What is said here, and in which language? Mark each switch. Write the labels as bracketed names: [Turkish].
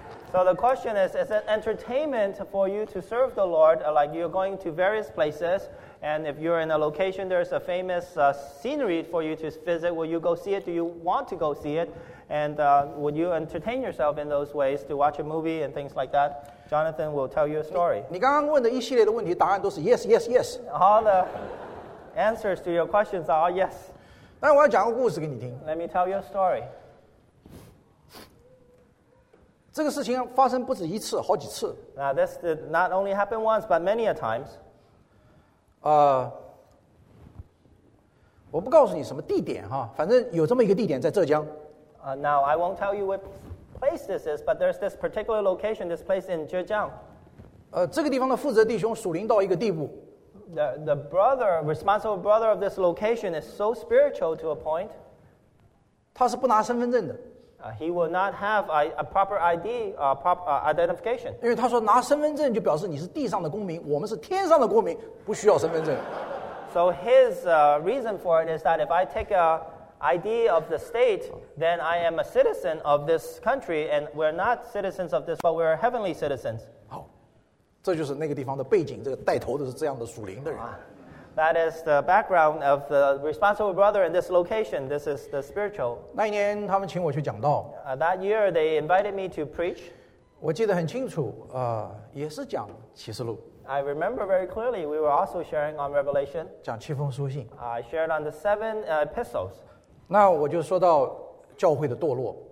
[English] So the question is it entertainment for you to serve the Lord? Like you're going to various places. And if you're in a location, there's a famous scenery for you to visit. Will you go see it? Do you want to go see it? And would you entertain yourself in those ways to watch a movie and things like that? Jonathan will tell you a story. [Chinese] 你刚刚问的一系列的问题，答案都是 [English] yes, yes, yes. All the answers to your questions are yes. [Chinese] 但我要讲个故事给你听。 [English] Let me tell you a story. [Chinese] 这个事情发生不止一次，好几次。 [English] Now this did not only happen once, but many a times. [Chinese] 我不告诉你什么地点哈，反正有这么一个地点在浙江。 [English] Now I won't tell you what place this is, but there's this particular location, this place in Zhejiang. [Chinese] 这个地方的负责弟兄属灵到一个地步。 [English] The brother, responsible brother of this location is so spiritual to a point. [Chinese] 他是不拿身份证的。 [English] He will not have a proper ID, identification. [Chinese] 因为他说拿身份证就表示你是地上的公民，我们是天上的公民，不需要身份证。 [English] So his reason for it is that if I take a ID of the state, then I am a citizen of this country, and we're not citizens of this, but we're heavenly citizens. [Chinese] 好，这就是那个地方的背景，这个带头的是这样的属灵的人。 [English] That is the background of the responsible brother in this location. This is the spiritual. [Chinese] 那一年他们请我去讲道。 [English] That year they invited me to preach. [Chinese] 我记得很清楚，也是讲启示录。 [English] I remember very clearly we were also sharing on Revelation. [Chinese] 讲七封书信。 [English] I shared on the seven epistles. [Chinese] 那我就说到教会的堕落。